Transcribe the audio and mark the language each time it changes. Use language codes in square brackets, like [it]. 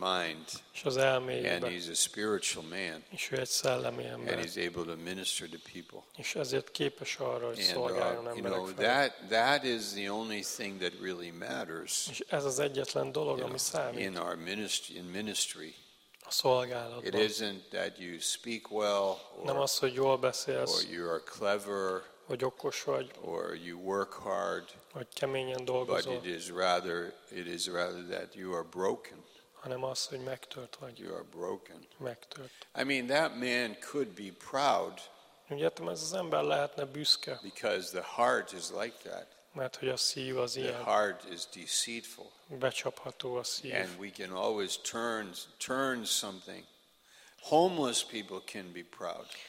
[en] and mind, [hu] és az elméjében. [en] And he's a spiritual man. [hu] És ő egy szellemi ember. [en] And he's able to minister to people. [hu] És ezért képes arra, hogy szolgáljon emberek [en] you know, [hu] felé. [en] That is the only thing that really matters. [hu] És ez az egyetlen dolog, [en] you [hu] ami [en] know, [hu] számít. [en] In our ministry, in ministry. [hu] A szolgálatban. [en] It isn't that you speak well. Or, [hu] nem az, hogy jól beszélsz. [en] Or you are clever. [hu] Vagy okos vagy, [en] or you work hard, [hu] vagy keményen dolgozol, [en] but it is rather that you are broken. [hu] Hanem az, hogy megtört vagy. [en] You are broken. [hu] Megtört. [en] I mean that man could be proud. [hu] Ugye, ez az ember lehetne büszke. [en] Because the heart is like that. [hu] Mert hogy a szív az ilyen. [en] The heart is deceitful. [hu] Becsapható a szív. [en] And we can always turn something. Homeless people can be proud.